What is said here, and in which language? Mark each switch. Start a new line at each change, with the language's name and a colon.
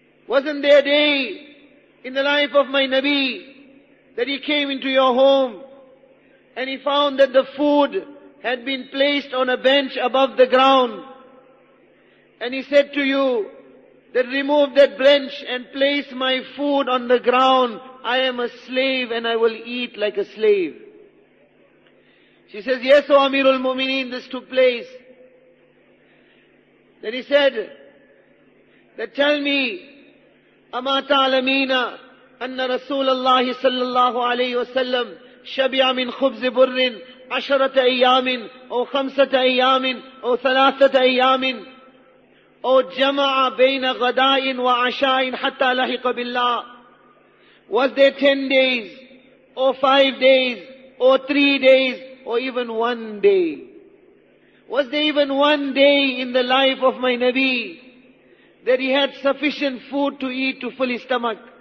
English: Wasn't there a day in the life of my Nabi that he came into your home and he found that the food had been placed on a bench above the ground? And he said to you that remove that bench and place my food on the ground. I am a slave and I will eat like a slave. She says, yes, O Amirul Mumineen, this took place. Then he said, that tell me,
Arabic: أَمَا تَعْلَمِينَ أَنَّ رَسُولَ اللَّهِ صَلَّى اللَّهُ عَلَيْهِ وَسَلَّمْ شَبِعَ مِنْ خُبْزِ بُرٍ عَشَرَةَ أَيَّامٍ أو خَمْسَةَ أَيَّامٍ أو ثَلَاثَةَ أَيَّامٍ أو جَمَعَ بَيْنَ غَدَاءٍ وَعَشَاءٍ حَتَّى لَحِقَ بِاللَّهِ.
English: Was there 10 days, or 5 days, or 3 days, or even 1 day? Was there even 1 day in the life of my Nabi that he had sufficient food to eat to fill his stomach?